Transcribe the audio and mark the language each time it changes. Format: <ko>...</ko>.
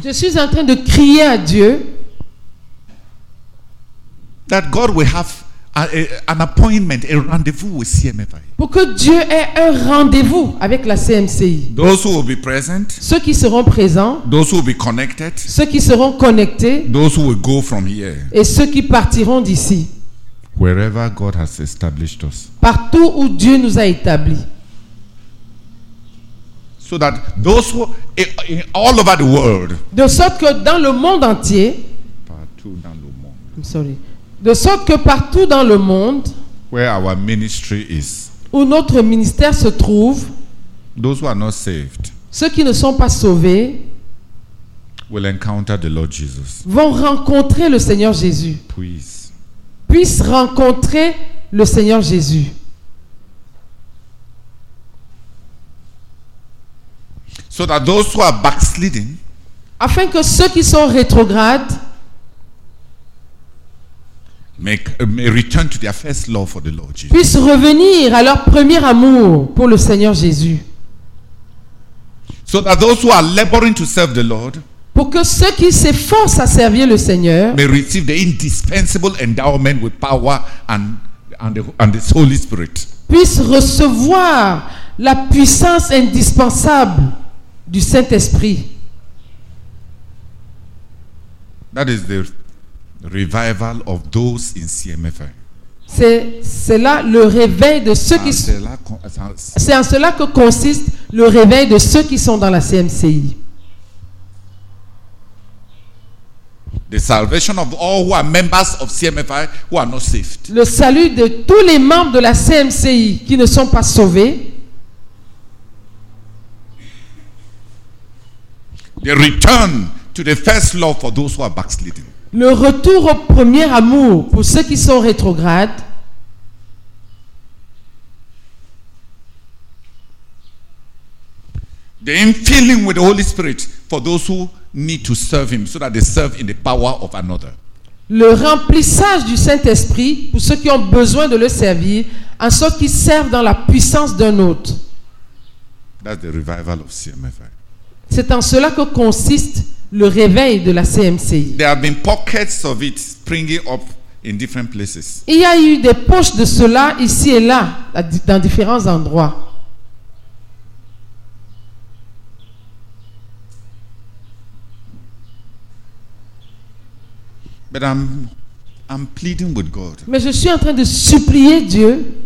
<fr>Je suis en train de crier à Dieu.</fr> <en>That God will have an appointment, a rendezvous with CMFI.</en> <fr>Pour que Dieu ait un rendez-vous avec la CMCI.</fr> <en>Those who will be present.</en> <fr>Ceux qui seront présents.</fr> <en>Those who will be connected.</en> <fr>Ceux qui seront connectés.</fr> <en>Those who will go from here.</en> <fr>Et ceux qui partiront d'ici.</fr> <en>Wherever God has established us.</en> <fr>Partout où Dieu nous a établis.</fr> <en>So that those who in all over the world.</en> <fr>De sorte que dans le monde entier. Partout dans le monde.</fr> <en>I'm sorry.</en> <fr>De sorte que partout dans le monde.</fr> <en>Where our ministry is.</en> <fr>Où notre ministère se trouve.</fr> <en>Those who are not saved.</en> <fr>Ceux qui ne sont pas sauvés.</fr> <en>Will encounter the Lord Jesus.</en> <fr>Vont rencontrer le Seigneur Jésus.</fr> <en>Please.</en> <fr>Puisse rencontrer le Seigneur Jésus.</fr> <en>So that those who are backsliding,</en> <fr>afin que ceux qui sont rétrogrades,</fr> <en>may return to their first love for the Lord Jesus,</en> <fr>puissent revenir à leur premier amour pour le Seigneur Jésus.</fr> <en>So that those who are laboring to serve the Lord,</en> <fr>pour que ceux qui s'efforcent à servir le Seigneur,</fr> <en>may receive the indispensable endowment with power and the Holy Spirit,</en> <fr>puissent recevoir la puissance indispensable du Saint-Esprit.</fr> <en>That is the revival of those in CMFI.</en> <fr>C'est là le réveil de ceux qui sont. C'est en cela que consiste le réveil de ceux qui sont dans la CMCI.</fr> <en>The salvation of all who are members of CMFI who are not saved.</en> <fr>Le salut de tous les membres de la CMCI qui ne sont pas sauvés.</fr> <en>The return to the first love for those who are backsliding.</en> <fr>Le retour au premier amour pour ceux qui sont rétrogrades.</fr> <en>The infilling with the Holy Spirit for those who need to serve Him so that they serve in the power of another.</en> <fr>Le remplissage du Saint-Esprit pour ceux qui ont besoin de le servir en sorte qu'ils servent dans la puissance d'un autre.</fr> <en>That's the revival of CMFI.</en> <fr>C'est en cela que consiste le réveil de la CMCI.</fr> <en>There have been pockets of it springing up in different places.</en> <fr>Il y a eu des poches de cela ici et là, dans différents endroits.</fr> <en>But I'm pleading with God.</en> <fr>Mais je suis en train de supplier Dieu.</fr>